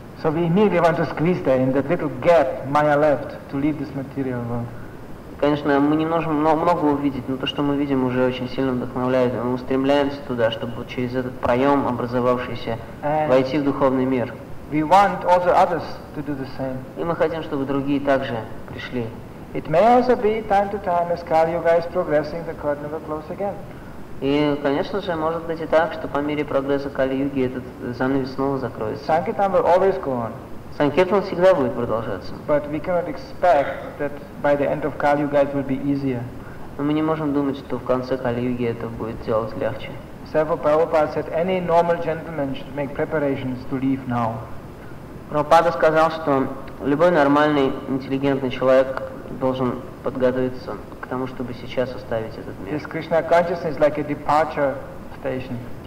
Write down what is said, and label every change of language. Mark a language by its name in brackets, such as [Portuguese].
[English] So we immediately want to squeeze there in that little gap Maya left to leave this material world. [Russian] Конечно, мы не можем много увидеть, но то, что мы видим, уже очень сильно вдохновляет. Мы устремляемся туда, чтобы через этот проем образовавшийся войти в духовный мир. [English] We want all the others to do the same. [Russian] И мы хотим, чтобы другие также пришли. [English] It may also be time to time as Kali Yuga is progressing, the curtain will close again. [Russian] И, конечно же, может быть и так, что по мере прогресса Кали-Юги этот занавес снова закроется. [English] Sankirtan will always go on. [Russian] Sankirtan всегда будет продолжаться. [English] But we cannot expect that by the end of Kali-Yuga it will be easier. [Russian] Но мы не можем думать, что в конце Кали-Юги это будет делать легче. [English] Srila Prabhupada said any normal gentleman should make preparations to leave now. [Russian] Prabhupada сказал, что любой нормальный, интеллигентный человек должен подготовиться к тому, чтобы сейчас оставить этот мир. [English] This Krishna consciousness is like a departure station.